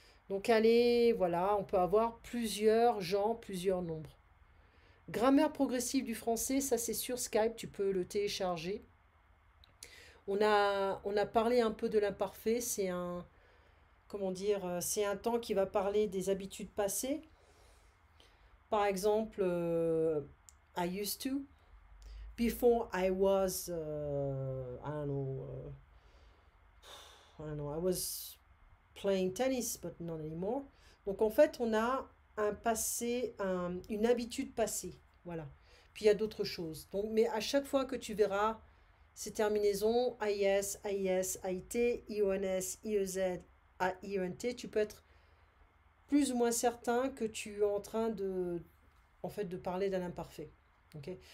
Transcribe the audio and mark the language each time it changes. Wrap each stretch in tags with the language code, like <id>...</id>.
<fr>Donc allez, voilà, on peut avoir plusieurs gens, plusieurs nombres. Grammaire progressive du français, ça c'est sur Skype, tu peux le télécharger. On a parlé un peu de l'imparfait, c'est un, comment dire, c'est un temps qui va parler des habitudes passées.</fr> <en>Par exemple, I used to, before I was, I was playing tennis, but not anymore.</en> <fr>Donc en fait, on a un passé, une habitude passée. Voilà. Puis il y a d'autres choses. Donc, mais à chaque fois que tu verras ces terminaisons, AIS, AIS, AIT, IONS, IEZ, AINT, tu peux être plus ou moins certain que tu es en train de, en fait, de parler d'un imparfait. Okay?</fr>